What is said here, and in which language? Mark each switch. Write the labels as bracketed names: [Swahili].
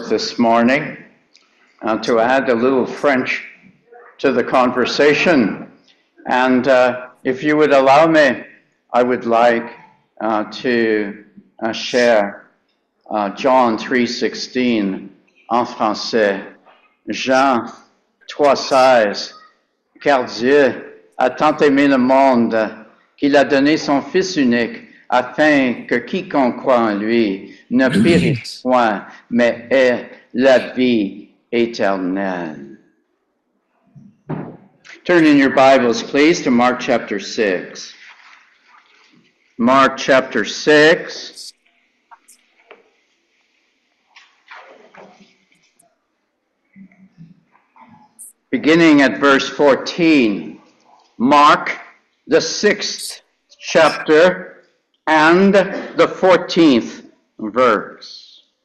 [English] this morning to add a little French to the conversation. And if you would allow me, I would like to share John 3:16 [French] en français. Jean 3:16, car Dieu a tant aimé le monde qu'il a donné son Fils unique afin que quiconque croit en lui ne périsse point, mais ait la vie éternelle. [English] Turn in your Bibles, please, to Mark chapter 6. Mark chapter 6. Beginning at verse 14. Mark, the 6th chapter, and the 14th verse.